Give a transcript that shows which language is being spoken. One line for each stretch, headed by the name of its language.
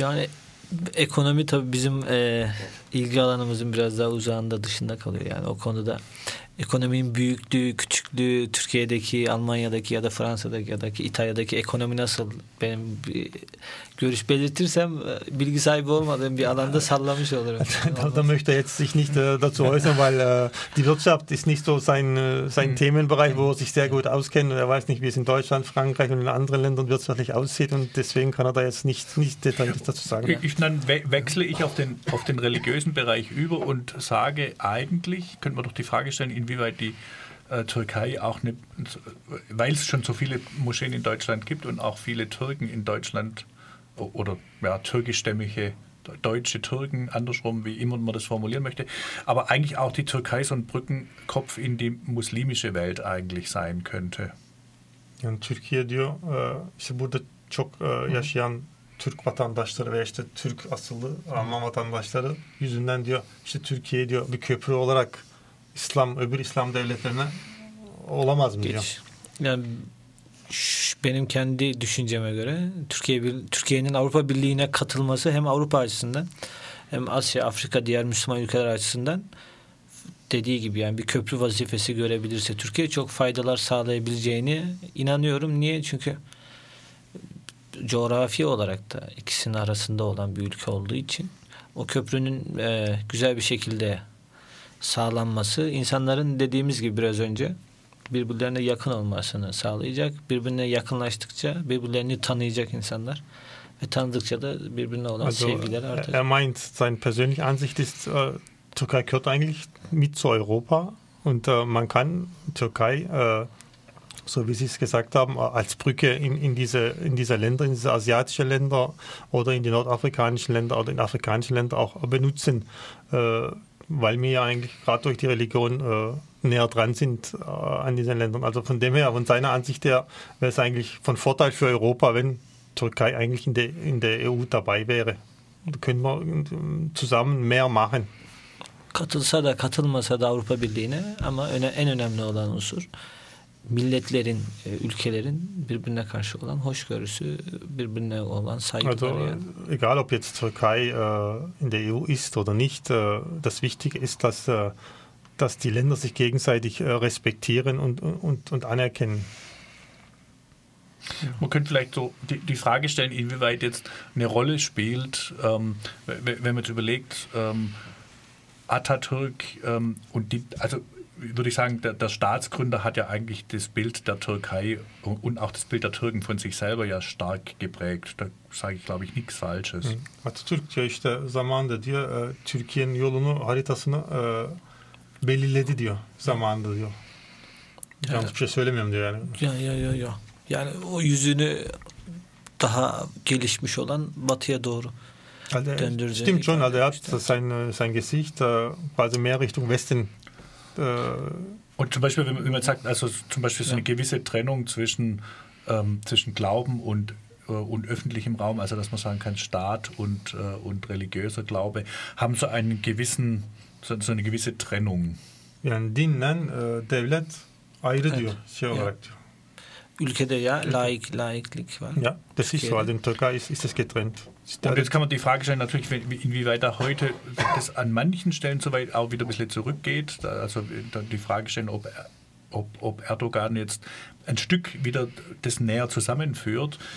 Turkish: Yani ekonomi tabii bizim ilgi alanımızın biraz daha uzağında dışında kalıyor yani o konuda. Ekonominin büyüklüğü, küçüklüğü, Türkiye'deki, Almanya'daki ya da Fransa'daki ya da İtalya'daki ekonomi nasıl? Benim bir görüş belirtirsem bilgi sahibi olmadığım bir alanda sallamış olurum.
German: da möchte jetzt sich nicht dazu äußern, weil die Wirtschaft ist nicht so sein Themenbereich, wo er sich sehr gut auskennt. Er weiß nicht, wie es in Deutschland, Frankreich und in anderen Ländern wirtschaftlich aussieht und deswegen kann er da jetzt nicht detailliert dazu sagen. Dann wechsle ich auf den religiösen Bereich über und sage eigentlich, könnte man doch die Frage stellen, inwieweit die Türkei auch eine, weil es schon so viele Moscheen in Deutschland gibt und auch viele Türken in Deutschland oder ja, türkischstämmige deutsche Türken, andersrum, wie immer man das formulieren möchte, aber eigentlich auch die Türkei so ein Brückenkopf in die muslimische Welt eigentlich sein könnte.
Turkish: Ja, Türkei, diyor, işte burada çok yaşayan Türk vatandaşları veya işte Türk asıllı Alman vatandaşları yüzünden diyor, işte Türkiye diyor bir köprü olarak İslam, öbür İslam devletlerine olamaz mı diyor? Yani benim kendi düşünceme göre Türkiye'nin Avrupa Birliği'ne katılması hem Avrupa açısından hem Asya, Afrika, diğer Müslüman ülkeler açısından dediği gibi yani bir köprü vazifesi görebilirse Türkiye çok faydalar sağlayabileceğini inanıyorum. Niye? Çünkü coğrafi olarak da ikisinin arasında olan bir ülke olduğu için o köprünün güzel bir şekilde sağlanması, insanların dediğimiz gibi biraz önce birbirlerine yakın olmasını sağlayacak. Birbirine yakınlaştıkça birbirlerini tanıyacak insanlar ve tanıdıkça da birbirine olan also, sevgiler artacak.
German: Er meint, seine persönliche Ansicht ist, Türkei gehört eigentlich mit zu Europa und man kann Türkei, so wie Sie es gesagt haben, als Brücke in diese Länder, in diese asiatischen Länder oder in die nordafrikanischen Länder oder in afrikanischen Länder auch benutzen. weil wir ja eigentlich gerade durch die Religion näher dran sind an diesen Ländern. Also von dem her, von seiner Ansicht her, wäre es eigentlich von Vorteil für Europa, wenn Türkei eigentlich in der EU dabei wäre. Da können wir zusammen mehr machen.
Turkish: Katılsa da katılmasa da Avrupa Birliği'ne, ama en önemli olan unsur milletlerin, ülkelerin birbirine karşı olan hoşgörüsü, birbirine olan saygıları. Also, yani.
German: Egal ob jetzt Türkei in der EU ist oder nicht, das Wichtige ist, dass die Länder sich gegenseitig respektieren und anerkennen. Man könnte vielleicht so die Frage stellen, inwieweit jetzt eine Rolle spielt, wenn man jetzt überlegt, Atatürk und die, also würde ich sagen, der Staatsgründer hat ja eigentlich das Bild der Türkei und auch das Bild der Türken von sich selber ja stark geprägt. Da sage ich, glaube ich, nichts Falsches.
Turkish: Atatürk ja işte zamanında diyor, Türkiye'nin yolunu haritasını belirledi diyor, zamanında diyor. Yanlış bir şey söylemiyorum diyor yani. Ya. Yani o yüzünü daha gelişmiş olan batıya doğru.
German: Stimmt schon, also er hat sein Gesicht quasi mehr Richtung Westen. Und zum Beispiel, wenn man sagt, also zum Beispiel so eine gewisse Trennung zwischen Glauben und öffentlichem Raum, also dass man sagen kann, Staat und religiöser Glaube, haben so einen gewissen, so eine gewisse Trennung.
Turkish: Ja, dinlen, devlet, ayrı diyor, şey olarak diyor. Ülkede ya laiklik var.
German: Ja, das ist so. In Türkei ist es getrennt. Und jetzt kann man die Frage stellen, natürlich, inwieweit da heute das an manchen Stellen soweit auch wieder ein bisschen zurückgeht. Also die Frage stellen, ob Erdogan jetzt ein Stück wieder das näher zusammenführt.